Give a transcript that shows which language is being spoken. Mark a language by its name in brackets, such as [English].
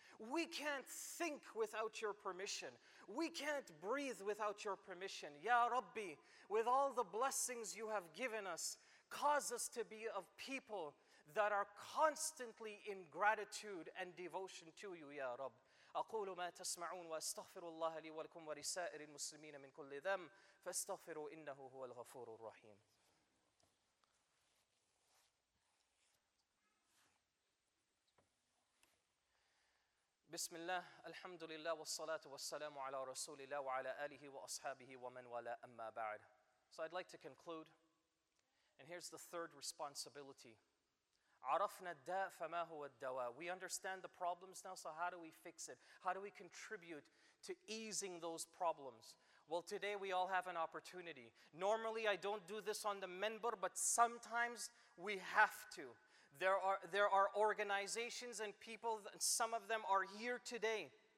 [English] We can't think without your permission. We can't breathe without your permission. Ya Rabbi, with all the blessings you have given us, cause us to be of people that are constantly in gratitude and devotion to you, Ya Rabb. [Arabic] أقول ما تسمعون وأستغفر الله لي ولكم ولسائر المسلمين من كل ذنب فاستغفروا إنه هو الغفور الرحيم. بسم الله الحمد لله والصلاة والسلام على رسول الله وعلى آله وأصحابه ومن ولا أما بعد. [English] So I'd like to conclude, and here's the third responsibility. [Arabic] عرفنا الداء فما هو الدواء. [English] We understand the problems now, so how do we fix it? How do we contribute to easing those problems? Well, today we all have an opportunity. Normally I don't do this on the minbar, but sometimes we have to. There are organizations and people, and some of them are here today.